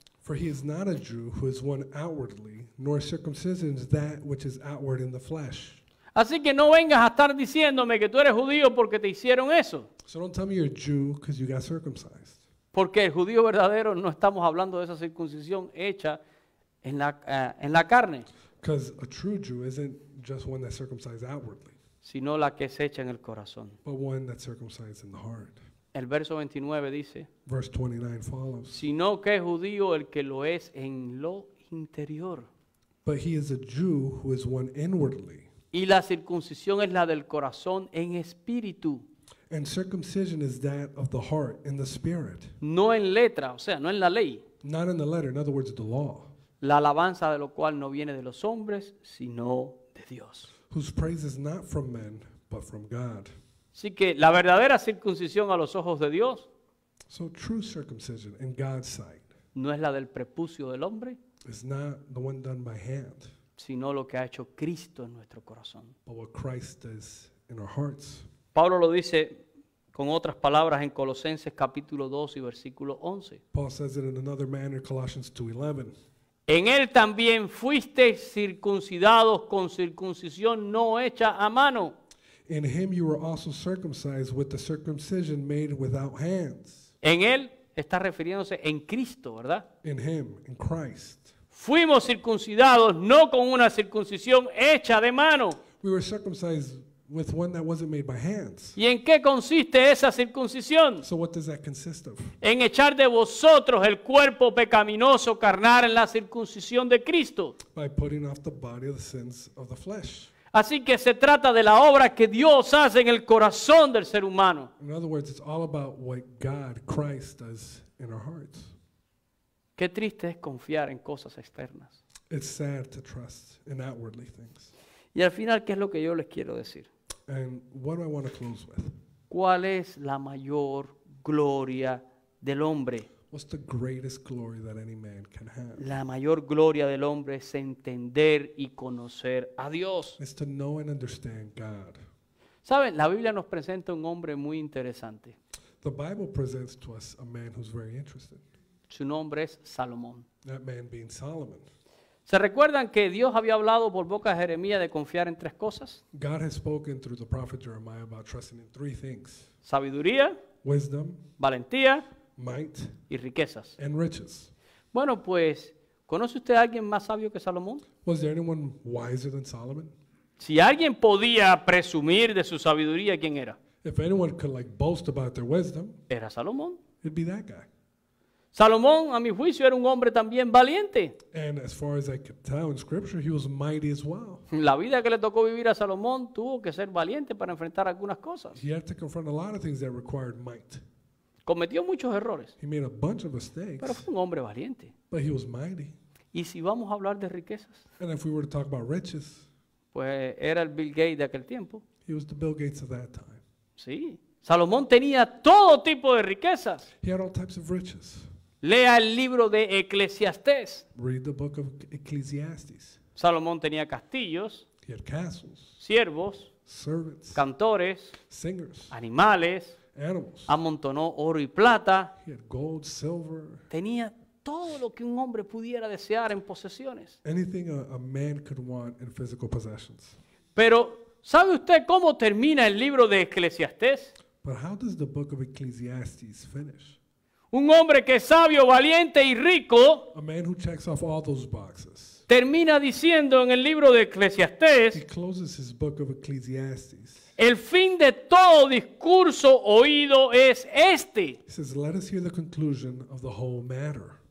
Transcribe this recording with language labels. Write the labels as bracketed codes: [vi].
[en] For he is not a Jew who is one outwardly, nor circumcision is that which is outward in the flesh. [es] Así que no vengas a estar diciéndome que tú eres judío porque te hicieron eso. [en] So don't tell me you're a Jew because you got circumcised. [es] Porque el judío verdadero no estamos hablando de esa circuncisión hecha en la carne. [en] Because a true Jew isn't just one that's circumcised outwardly. [es] Sino la que es hecha en el corazón. [en] But one that's circumcised in the heart. [es] El verso 29 dice. [en] Verse 29 follows. [es] Sino que es judío el que lo es en lo interior. [en] But he is a Jew who is one inwardly. [es] Y la circuncisión es la del corazón en espíritu. [en] And circumcision is that of the heart in the spirit. [es] No en letra, o sea, no en la ley. [en] Not in the letter, in other words, the law. [es] La alabanza de lo cual no viene de los hombres, sino de Dios. [en] Whose praise is not from men, but from God. [es] Así que la verdadera circuncisión a los ojos de Dios. [en] So true circumcision in God's sight. [es] No es la del prepucio del hombre. [en] It's not the one done by hand. [es] Sino lo que ha hecho Cristo en nuestro corazón. [en] But what Christ does in our hearts. [es] Pablo lo dice con otras palabras en Colosenses capítulo 2 y versículo 11. [en] Paul says it in another manner, Colossians 2:11. [es] En él también fuisteis circuncidados con circuncisión no hecha a mano. [en] In him you were also circumcised with the circumcision made without hands. [es] En él está refiriéndose en Cristo, ¿verdad? [en] In him, in Christ. [es] Fuimos circuncidados no con una circuncisión hecha de mano. [en] We were circumcised with one that wasn't made by hands. [es] ¿Y en qué consiste esa circuncisión? [en] So what does that consist of? [es] En echar de vosotros el cuerpo pecaminoso carnal en la circuncisión de Cristo. [en] By putting off the body of the sins of the flesh. [es] Así que se trata de la obra que Dios hace en el corazón del ser humano. [en] In other words, it's all about what God, Christ, does in our hearts. [es] Qué triste es confiar en cosas externas. [en] It's sad to trust in outwardly things. [es] Y al final, ¿qué es lo que yo les quiero decir? [en] And what do I want to close with? [es] ¿Cuál es la mayor gloria del hombre? [en] What's the greatest glory that any man can have? [es] La mayor gloria del hombre es entender y conocer a Dios. [en] It's to know and understand God. [es] ¿Saben? La Biblia nos presenta un hombre muy interesante. [en] The Bible presents to us a man who's very interesting. [es] Su nombre es Salomón. [en] That man being Solomon. [es] ¿Se recuerdan que Dios había hablado por boca de Jeremías de confiar en tres cosas? [en] God has spoken through the prophet Jeremiah about trusting in three things. [es] Sabiduría. [en] wisdom, [es] valentía, [en] might, [es] y riquezas. [en] And riches. [es] Bueno, pues, ¿conoce usted a alguien más sabio que Salomón? [en] Was there anyone wiser than Solomon? [es] Si alguien podía presumir de su sabiduría, ¿quién era? [en] If anyone could like boast about their wisdom, [es] era Salomón. [en] It'd be that guy. [es] Salomón, a mi juicio, era un hombre también valiente. [en] And as far as I could tell in scripture, he was mighty as well. [es] La vida que le tocó vivir a Salomón tuvo que ser valiente para enfrentar algunas cosas. [en] He had to confront a lot of things that required might. [es] Cometió muchos errores. [en] He made a bunch of mistakes. [es] Pero fue un hombre valiente. [en] But he was mighty. [es] Y si vamos a hablar de riquezas. [en] And if we were to talk about riches. [es] Pues era el Bill Gates de aquel tiempo. [en] He was the Bill Gates of that time. [es] Sí. Salomón tenía todo tipo de riquezas. [en] He had all types of riches. [es] Lea el libro de Eclesiastés. [en] Read the book of Ecclesiastes. [es] Salomón tenía castillos. [en] He had castles. [es] Siervos. [en] Servants. [es] Cantores. [en] Singers. [es] Animales. [en] Animals. [es] Amontonó oro y plata. [en] He had gold, silver. [es] Tenía todo lo que un hombre pudiera desear en posesiones. [en] Anything a man could want in physical possessions. [es] Pero, ¿sabe usted cómo termina el libro de Eclesiastés? [en] But how does the book of Ecclesiastes finish? [es] Un hombre que es sabio, valiente y rico. [en] A man who checks off all those boxes. [es] Termina diciendo en el libro de Eclesiastés. [en] He closes his book of Ecclesiastes. [es] El fin de todo discurso oído es este. [en] He says, let us hear the conclusion of the whole matter.